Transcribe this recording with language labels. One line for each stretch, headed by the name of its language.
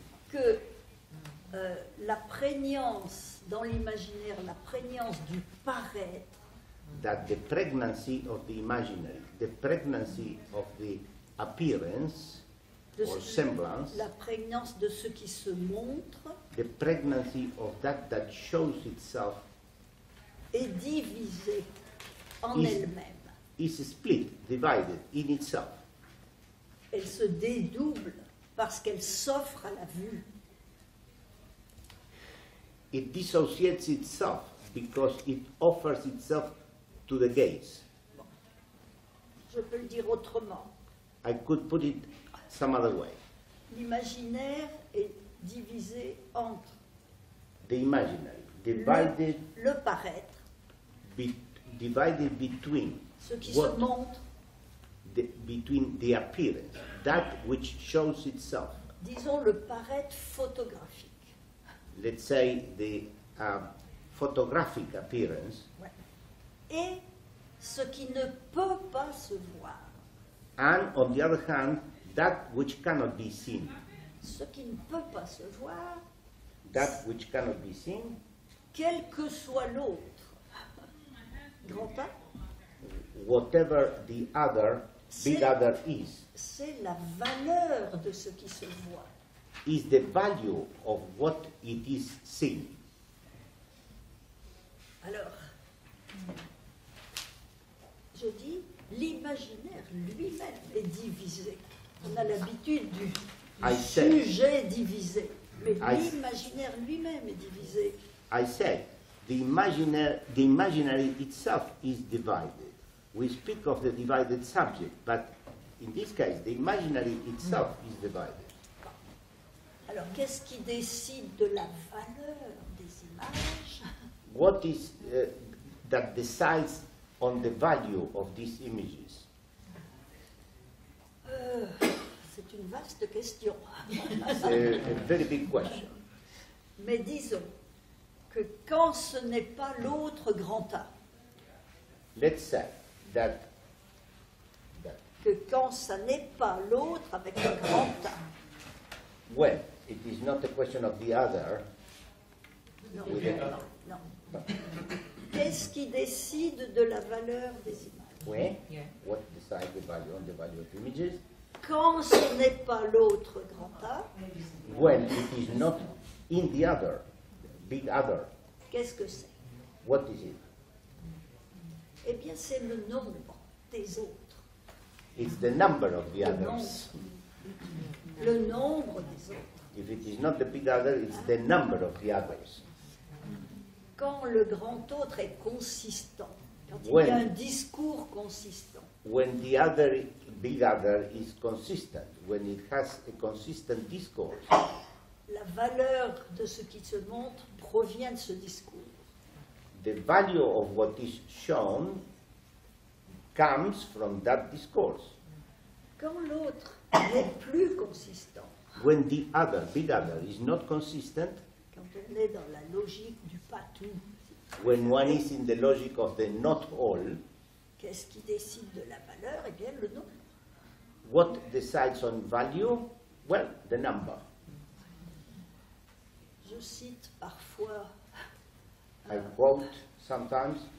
French: que la prégnance dans l'imaginaire, la prégnance du paraître.
English: That the pregnancy of the imaginary, the pregnancy of the appearance or semblance,
French: la prégnance de ce qui se montre,
English: the pregnancy of that that shows itself,
French: est divisée en elle-même.
English: Is split, divided in itself.
French: Elle se dédouble parce qu'elle s'offre à la vue.
English: It dissociates itself because it offers itself to the gaze.
French: Bon. Je peux le dire autrement.
English: I could put it some other way.
French: L'imaginaire est divisé entre
English: the imaginary, divided
French: le paraître,
English: divided between
French: ce qui se montre,
English: between the appearance, that which shows itself.
French: Disons le paraître photographique.
English: Let's say the photographic appearance.
French: Ouais. Et ce qui ne peut pas se voir.
English: And on the other hand, that which cannot be seen.
French: Ce qui ne peut pas se voir.
English: That which cannot be seen.
French: Quel que soit l'autre. Grand A.
English: Whatever the other, big other is.
French: C'est la valeur de ce qui se voit.
English: Is the value of what it is seen.
French: Alors. Je dis, l'imaginaire lui-même est divisé. On a l'habitude du sujet divisé, mais l'imaginaire lui-même est divisé.
English: I said, the imaginary itself is divided. We speak of the divided subject, but in this case, the imaginary itself is divided.
French: Alors, qu'est-ce qui décide de la valeur des images?
English: What is that decides on the value of these images?
French: C'est une vaste question. C'est
English: a very big question.
French: Mais disons que quand ce n'est pas l'autre grand A.
English: Let's say that.
French: Que quand ça n'est pas l'autre avec le grand A.
English: Well, it is not a question of the other.
French: Non. Qu'est-ce qui décide de la valeur des images? Oui.
English: Yeah. What decides the value on the value of images?
French: Quand ce n'est pas l'autre grand A.
English: When it is not in the other, big other.
French: Qu'est-ce que c'est?
English: What is it?
French: Eh bien, c'est le nombre des autres.
English: It's the number of the others.
French: Le nombre des autres.
English: If it is not the big other, it's the number of the others.
French: Quand le grand autre est consistant, quand il y a un discours consistant.
English: when the other, big other, is consistent, when it has a consistent discourse.
French: La valeur de ce qui se montre provient de ce discours.
English: The value of what is shown comes from that discourse.
French: Quand l'autre n'est plus consistant.
English: When the other, big other, is not consistent.
French: Quand on est dans la logique du pas tout.
English: When one is in the logic of the not all.
French: Qu'est-ce qui décide de la valeur? Eh bien, le nombre.
English: What decides on value? Well, the number.
French: Je cite parfois.
English: I quote sometimes.